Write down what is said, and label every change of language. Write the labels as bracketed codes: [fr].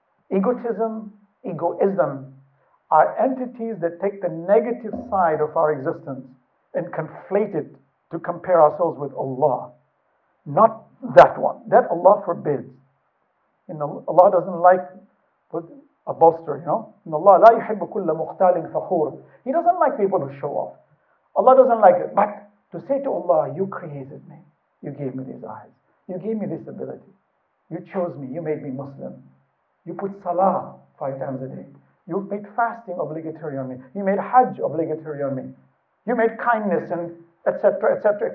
[en] Egotism, egoism, are entities that take the negative side of our existence and conflate it to compare ourselves with Allah. Not that one. That Allah forbids. And Allah doesn't like a boaster, you know? And Allah, [ar] لا يحب كل مختال فخور. [en] He doesn't like people who show off. Allah doesn't like it. But to say to Allah, you created me. You gave me these eyes. You gave me this ability. You chose me. You made me Muslim. You put salah 5 times a day. You made fasting obligatory on me. You made Hajj obligatory on me. You made kindness and etc. etc.